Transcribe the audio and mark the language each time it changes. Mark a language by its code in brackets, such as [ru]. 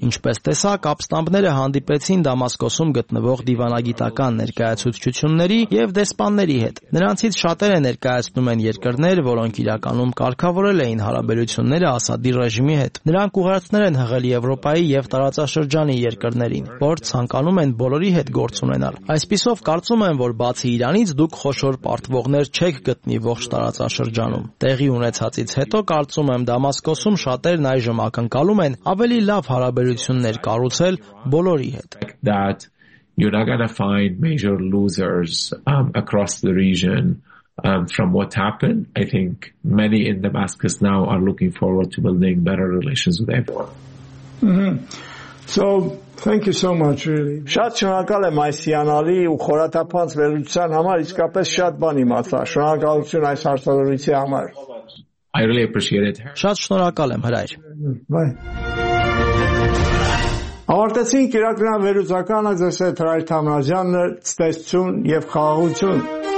[hy] Ինչպես տեսակ, ապստամբները հանդիպեցին Դամասկոսում գտնվող դիվանագիտական ներկայացուցչությունների եւ դեսպանների հետ։ Նրանցից շատերը ներկայացնում են երկրներ, որոնք իրականում կարգավորել էին հարաբերությունները Ասադի ռեժիմի հետ։ Նրանք ուղարկներ են հղել Եվրոպայի եւ տարածաշրջանի երկրներին, որ ցանկանում են բոլորի հետ գործ ունենալ։ Այսպիսով կարծում եմ, որ բացի Իրանից դուք խոշոր պարտվողներ չեք գտնի ողջ տարածաշրջանում։ Տեղի ունեցածից հետո կարծում եմ, Դամասկոսում շատերն այժմ ակնկալում են ավելի լավ հարաբերություններ կառուցել բոլորի հետ։ [en] That you're not going to find major losers across the region. From what happened, I think many in Damascus now are looking forward to building better relations with everyone. Mm-hmm. So thank you so much, really. [hy] Շատ շնորհակալ եմ այս հիանալի ու խորաթափանց վերլուծության համար, իսկապես շատ բան իմացա։ Շնորհակալություն այս հարցազրույցի համար։ [en] I really appreciate it. [hy] Շատ շնորհակալ եմ, հրայր։ [en] Bye. [hy] Ավարտեցին կիրակնային վերլուծականը ձեզ հետ Հրայր Թամրազյանը, ցտեսություն եւ խաղաղություն։